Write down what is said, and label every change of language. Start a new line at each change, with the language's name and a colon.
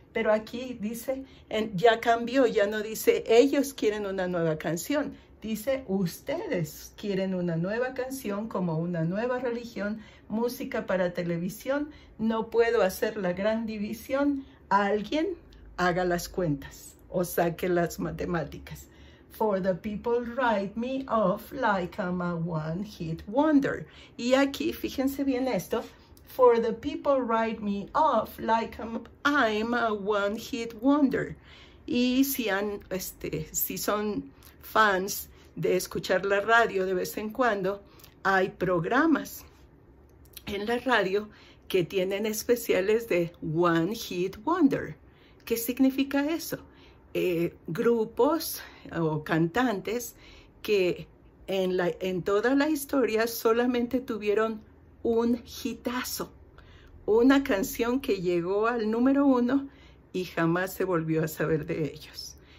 Spanish: Pero aquí dice, ya cambió, ya no dice ellos quieren una nueva canción, dice ustedes quieren una nueva canción como una nueva religión, música para televisión. No puedo hacer la gran división. Alguien haga las cuentas o saque las matemáticas.
English: For the people write me off like I'm a one-hit wonder.
Spanish: Y aquí, fíjense bien esto.
English: For the people write me off like I'm a one-hit wonder.
Spanish: Y si son fans de escuchar la radio de vez en cuando, hay programas en la radio que tienen especiales de one-hit wonder. ¿Qué significa eso? Grupos o cantantes que en toda la historia solamente tuvieron un hitazo, una canción que llegó al número uno y jamás se volvió a saber de ellos.